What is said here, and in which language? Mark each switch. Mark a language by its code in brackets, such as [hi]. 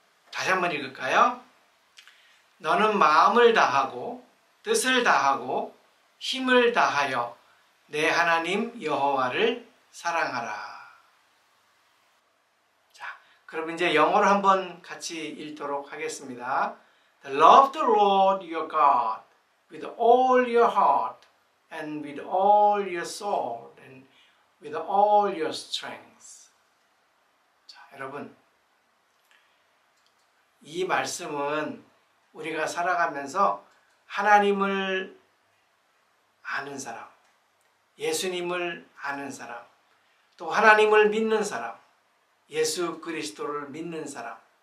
[ko] 다시 한번 읽을까요? 너는 마음을 다하고 뜻을 다하고 힘을 다하여 내 하나님 여호와를 사랑하라. 자, 그럼 이제 영어로 한번 같이 읽도록 하겠습니다. [en] Love the Lord your God with all your heart and with all your soul and with all your strength. [ko] 자, 여러분, 이 말씀은 우리가 살아가면서 하나님을 아는 사람, 예수님을 아는 사람, 또 하나님을 믿는 사람, 예수 그리스도를 믿는 사람.